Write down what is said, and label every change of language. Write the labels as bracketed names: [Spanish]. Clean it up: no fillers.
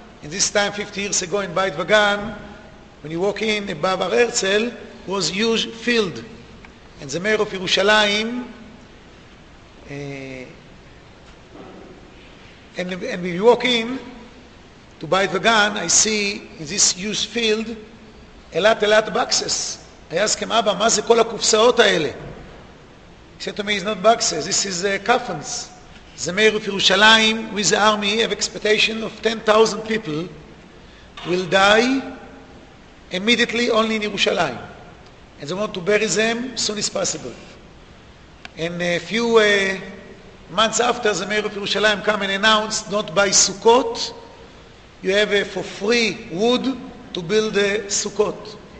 [English] And this time, 50 years ago in Beit Vagan, when you walk in, above Har Herzl, was a huge field. And the mayor of Yerushalayim, and when you walk in to Beit Vagan, I see in this huge field, a lot of boxes. I ask him, Abba, [Hebrew] מה זה כל הקופסאות האלה? [English] He said to me, it's not boxes, this is coffins. The mayor of Yerushalayim with the army have expectation of 10,000 people will die immediately only in Yerushalayim. And they want to bury them as soon as possible. And a few months after, the mayor of Yerushalayim come and announced, not by Sukkot, you have for free wood to build Sukkot.